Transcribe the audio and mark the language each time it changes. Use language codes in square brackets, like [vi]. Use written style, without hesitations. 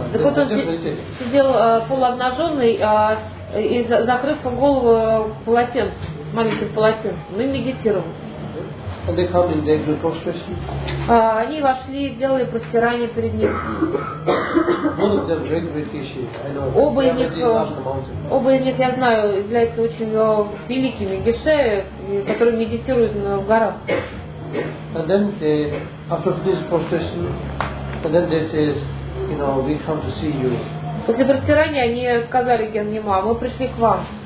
[ru] Так вот он сидел полуобнаженный и закрыв голову полотенцем, маленьким полотенцем, и медитировал. [en] And they come in their group prostration. [ru] Они вошли и сделали простирание перед ним. [en] One of them great, great fishes, I know. [ru] Оба из них, я знаю, являются очень великими геше, которые медитируют в горах. [en] And then they, after this prostration, and then they say, you know, we come to see you. [ru] После простирания они сказали Геннима, мы пришли к вам.